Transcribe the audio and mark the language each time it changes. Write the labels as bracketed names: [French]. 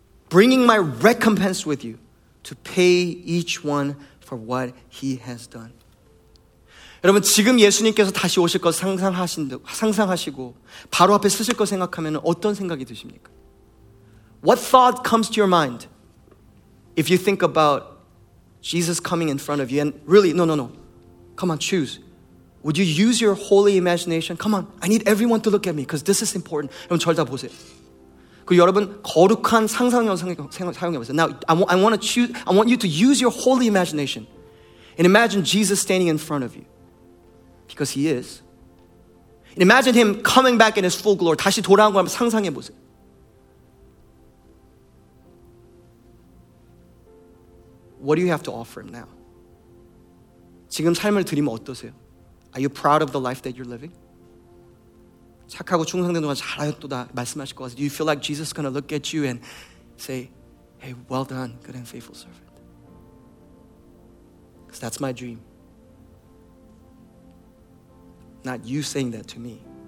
[English] Bringing my recompense with you to pay each one for what he has done. [Korean] 여러분 지금 예수님께서 다시 오실 것 상상하시고 바로 앞에 서실 것 생각하면 어떤 생각이 드십니까? [English] What thought comes to your mind if you think about Jesus coming in front of you? And really, no. Come on, choose. Would you use your holy imagination? Come on, I need everyone to look at me because this is important. [Korean] 여러분 절 다 보세요. 그 여러분 거룩한 상상력을 사용해 보세요. [English] Now I want you to use your holy imagination and imagine Jesus standing in front of you because he is. And imagine him coming back in his full glory. [Korean] 다시 돌아온 걸 한번 상상해 보세요. [English] What do you have to offer him now? [Korean] 지금 삶을 드리면 어떠세요? [English] Are you proud of the life that you're living? [Korean] 착하고 충성된 동안 잘하였도다 말씀하실 것 같아요. [English] Do you feel like Jesus is going to look at you and say, hey, well done, good and faithful servant? Because that's my dream. Not you saying that to me.